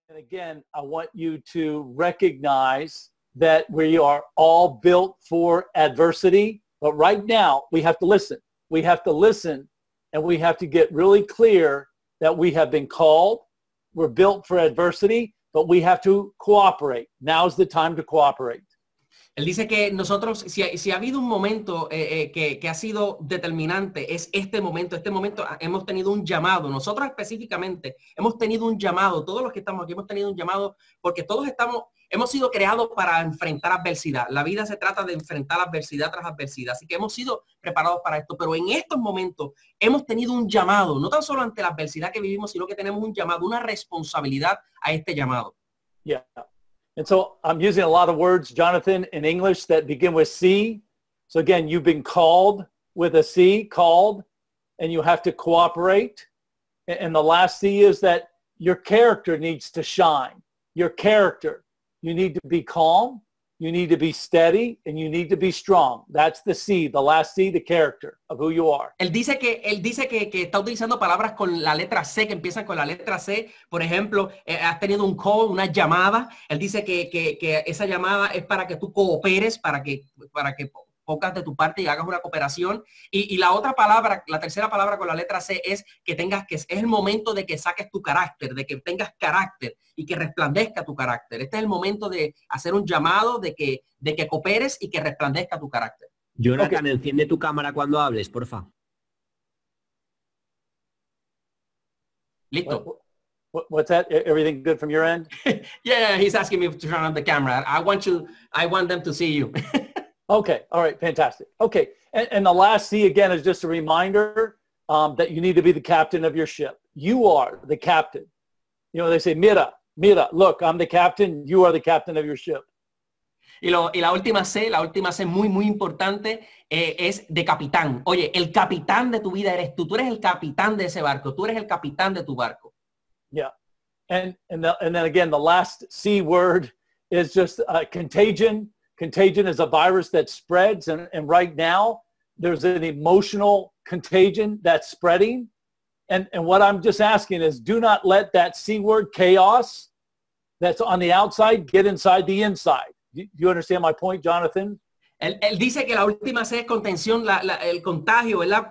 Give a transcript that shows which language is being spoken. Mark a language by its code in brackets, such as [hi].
[en] And again, I want you to recognize that we are all built for adversity. But right now, we have to listen. We have to listen, and we have to get really clear that we have been called. We're built for adversity, but we have to cooperate. Now is the time to cooperate. [es] Él dice que nosotros, si ha habido un momento que ha sido determinante, es este momento hemos tenido un llamado, nosotros específicamente hemos tenido un llamado, todos los que estamos aquí hemos tenido un llamado, porque todos hemos sido creados para enfrentar adversidad, la vida se trata de enfrentar adversidad tras adversidad, así que hemos sido preparados para esto, pero en estos momentos hemos tenido un llamado, no tan solo ante la adversidad que vivimos, sino que tenemos un llamado, una responsabilidad a este llamado. [en] Yeah. And so I'm using a lot of words, Jonathan, in English that begin with C. So again, you've been called with a C, called, and you have to cooperate. And the last C is that your character needs to shine. Your character. You need to be calm. You need to be steady. And you need to be strong. That's the C, the last C, the character of who you are. [es] Él dice que está utilizando palabras con la letra C, que empiezan con la letra C. Por ejemplo, has tenido un call, una llamada. Él dice que esa llamada es para que tú cooperes, para que pongas de tu parte y hagas una cooperación. Y la otra palabra, la tercera palabra con la letra C es que tengas que, es el momento de que saques tu carácter, de que tengas carácter y que resplandezca tu carácter. Este es el momento de hacer un llamado, de que cooperes y que resplandezca tu carácter. [en] Jonathan, okay. [es] Enciende tu cámara cuando hables, porfa. Listo. [en] What's that? Everything good from your end? Yeah, he's asking me to turn on the camera. I want them to see you. Okay. All right. Fantastic. Okay. And the last C again is just a reminder that you need to be the captain of your ship. You are the captain. You know, they say, [es] mira, [en] look, I'm the captain. You are the captain of your ship. [es] Y la última C, muy, muy importante, es de capitán. Oye, el capitán de tu vida eres tú. Tú eres el capitán de ese barco. Tú eres el capitán de tu barco. [en] Yeah. And then again, the last C word is just contagion. Contagion is a virus that spreads, and right now there's an emotional contagion that's spreading. And what I'm just asking is, do not let that C word, chaos, that's on the outside get inside the inside. Do you understand my point, Jonathan? [es] Él dice que la última C es contención, el contagio, ¿verdad?